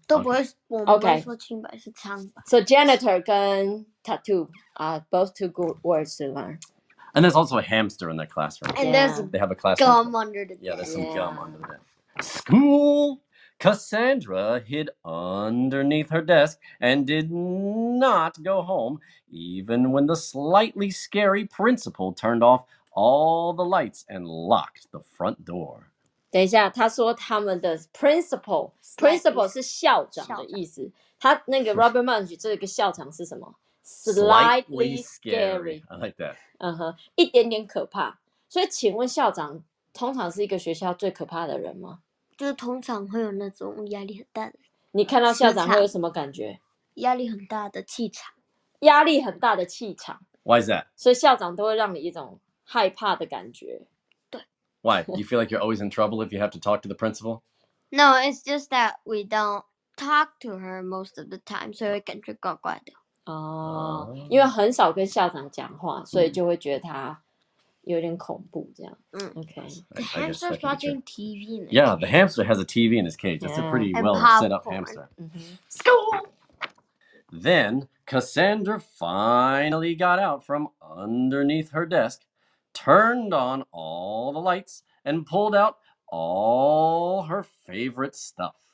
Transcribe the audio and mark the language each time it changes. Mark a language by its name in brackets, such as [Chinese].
[Chinese] 都不会，我们不会说清白，是苍白。 [English] So janitor 跟 tattoo are both two good words to learn. And there's also a hamster in their classroom. And there's they have a classroom. Gum under the desk. Yeah, there's some gum under the desk. School. Cassandra hid underneath her desk and did not go home, even when the slightly scary principal turned off all the lights and locked the front door. [Chinese] 等一下，他说他们的 principal 是校长的意思。他那个 Robert Munch 这个校长是什么 [English] ？Slightly scary. I like that. [Chinese] 嗯哼，一点点可怕。所以，请问校长通常是一个学校最可怕的人吗？就是通常会有那种压力很大的。你看到校长会有什么感觉？压力很大的气场。压力很大的气场。 [English] Why is that? [Chinese] 所以校长都会让你一种害怕的感觉。 [English] Why? Do you feel like you're always in trouble if you have to talk to the principal? No, it's just that we don't talk to her most of the time, so it 感觉怪怪的。 [Chinese] 哦，因为很少跟校长讲话，所以就会觉得他有点恐怖这样。 [English] Okay. The hamster's watching TV. Yeah, the hamster has a TV in his cage. That's a pretty well set up hamster. School! Then Cassandra finally got out from underneath her desk. Turned on all the lights and pulled out all her favorite stuff.